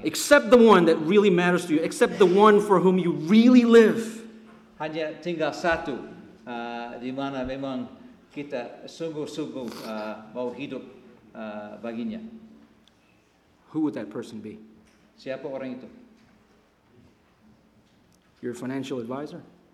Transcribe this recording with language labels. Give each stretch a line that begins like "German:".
English: Except the one that really matters to you. Except the one for whom you really live.
Indonesian: Hanya tinggal satu di mana memang kita sungguh-sungguh mau hidup baginya.
English: Who would that person be?
Indonesian: Siapa orang itu?
English: Your financial advisor?